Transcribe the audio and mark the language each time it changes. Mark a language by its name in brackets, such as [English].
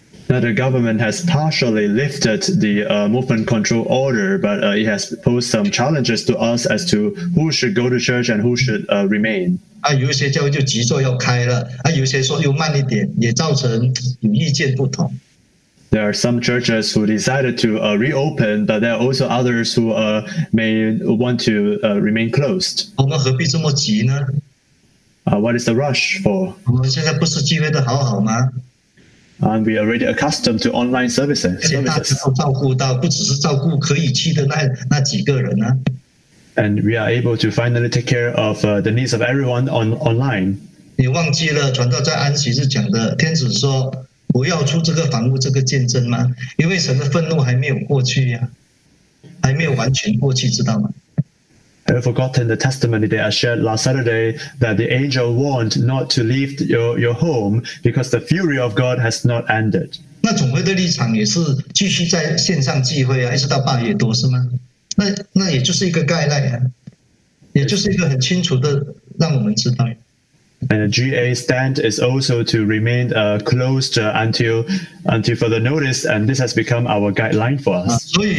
[English] Now the government has partially lifted the movement control order, but it has posed some challenges to us as to who should go to church and who should remain. [Chinese] 有一些教会就急着要开了，有一些说又慢一点，也造成有意见不同。 [English] There are some churches who decided to reopen, but there are also others who may want to remain closed. [Chinese] 我们何必这么急呢? [English] What is the rush for? [Chinese] 我们现在不是机会得好好吗? [English] And we are already accustomed to online services. And we are able to finally take care of the needs of everyone on online. [Chinese] 你忘记了传道在安息日讲的天使说 不要出这个房屋这个见证吗? 因为神的愤怒还没有过去呀, 还没有完全过去知道吗? [English] I have forgotten the testimony that I shared last Saturday that the angel warned not to leave your home because the fury of God has not ended. [Chinese] 那总会的立场也是继续在线上聚会啊, 一直到八月多是吗? 那也就是一个概念啊, 也就是一个很清楚的让我们知道。 [English] And a GA stand is also to remain closed until further notice, and this has become our guideline for us.